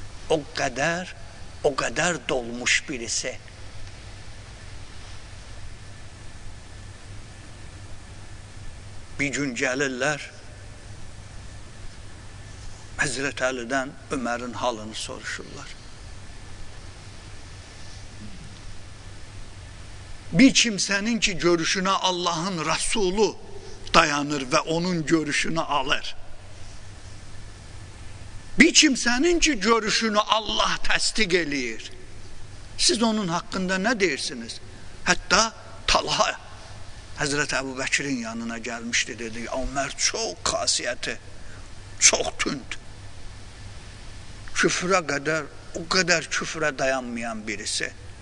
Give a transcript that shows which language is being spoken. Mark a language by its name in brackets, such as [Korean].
[Azerbaijani] O qədər dolmuş birisi. Bir gün gəlirlər Həzrət Əlidən Ömərin halını soruşurlar. [Turkish] Bir kimsenin ki görüşüne Allah'ın Resulü dayanır ve onun görüşünü alır. [Azerbaijani] Bir kimsenin ki görüşünü Allah təsdiq eləyir. Siz onun haqqında nə deyirsiniz? [Turkish] Hətta Talha Hazreti Ebu Bekir'in yanına gelmişti, dedi Ömer çok kasiyeti, çok tünt. Küfre kadar, o kadar küfre dayanmayan birisi.